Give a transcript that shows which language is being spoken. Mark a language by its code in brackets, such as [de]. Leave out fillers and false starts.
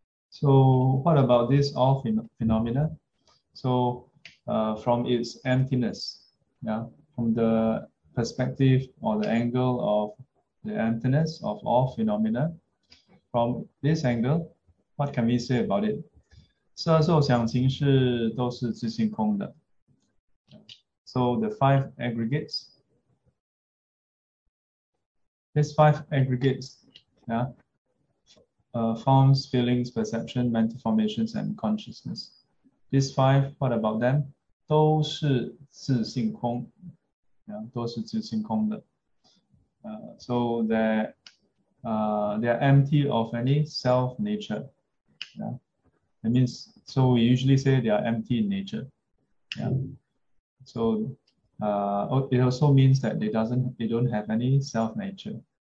[en] So what about this all phenomena? So from its emptiness, yeah, from the perspective or the angle of the emptiness of all phenomena, from this angle, what can we say about it? [zh] 色受想行识都是自性空的. [en] So the five aggregates. These five aggregates, yeah, forms, feelings, perception, mental formations, and consciousness. These five, what about them? [zh] 都是自性空, yeah, 都是自性空的. [en] So they are empty of any self nature. Yeah, that means so we usually say they are empty in nature. Yeah, so it also means that they don't have any self nature.